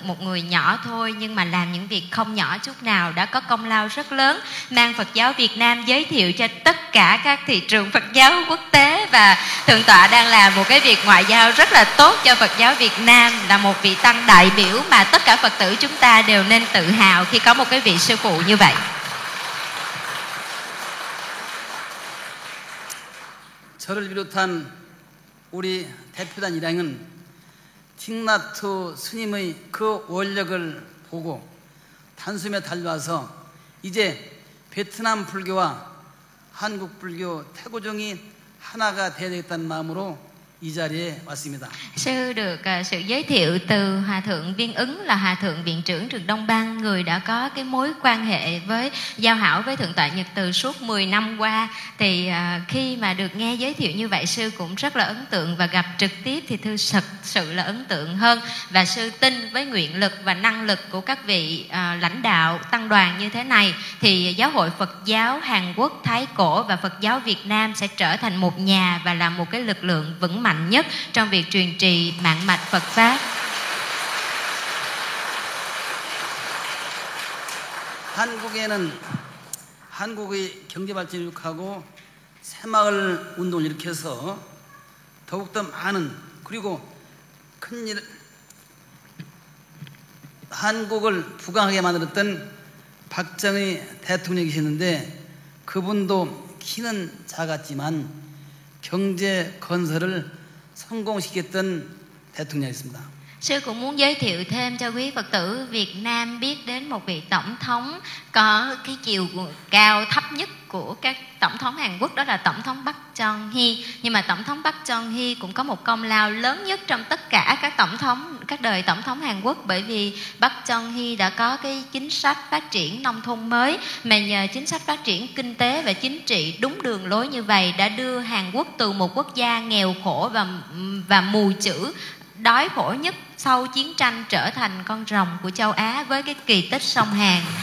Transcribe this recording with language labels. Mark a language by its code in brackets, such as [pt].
[vi] Một người nhỏ thôi nhưng mà làm những việc không nhỏ chút nào, đã có công lao rất lớn, mang Phật giáo Việt Nam giới thiệu cho tất cả các thị trường Phật giáo quốc tế. Và thượng tọa đang làm một cái việc ngoại giao rất là tốt cho Phật giáo Việt Nam, là một vị tăng đại biểu mà tất cả Phật tử chúng ta đều nên tự hào khi có một cái vị sư phụ như vậy. [ko] 저를 비롯한 우리 대표단 일행은 틱나트 스님의 그 원력을 보고 단숨에 달려와서 이제 베트남 불교와 한국 불교 태고종이 하나가 되어야겠다는 마음으로 이 자리에 왔습니다. [vi] Sư được sự giới thiệu từ Hòa Thượng Viên Ứng, là Hòa Thượng Viện trưởng Trường Đông Bang, người đã có cái mối quan hệ với giao hảo với Thượng Tọa Nhật Từ suốt 10 năm qua. Thì khi mà được nghe giới thiệu như vậy, sư cũng rất là ấn tượng, và gặp trực tiếp thì thật sự là ấn tượng hơn. Và sư tin với nguyện lực và năng lực của các vị lãnh đạo tăng đoàn như thế này, thì Giáo hội Phật giáo Hàn Quốc, Thái Cổ và Phật giáo Việt Nam sẽ trở thành một nhà và là một cái lực lượng vững mạnh nhất trong việc truyền trì mạng mạch Phật pháp. [ko] 한국에는 한국의 경제 발전을 하고 새마을 운동을 일으켜서 더욱더 많은 그리고 큰일 한국을 부강하게 만들었던 박정희 대통령이셨는데 그분도 키는 작았지만 경제 건설을 성공시켰던 대통령이었습니다. [vi] Sư cũng muốn giới thiệu thêm cho quý Phật tử Việt Nam biết đến một vị tổng thống có cái chiều cao thấp nhất của các tổng thống Hàn Quốc, đó là tổng thống Park Chung-hee. Nhưng mà tổng thống Park Chung-hee cũng có một công lao lớn nhất trong tất cả các tổng thống, các đời tổng thống Hàn Quốc, bởi vì Park Chung-hee đã có cái chính sách phát triển nông thôn mới, mà nhờ chính sách phát triển kinh tế và chính trị đúng đường lối như vậy đã đưa Hàn Quốc từ một quốc gia nghèo khổ và mù chữ đói khổ nhất sau chiến tranh trở thành con rồng của châu Á với cái kỳ tích sông Hàn.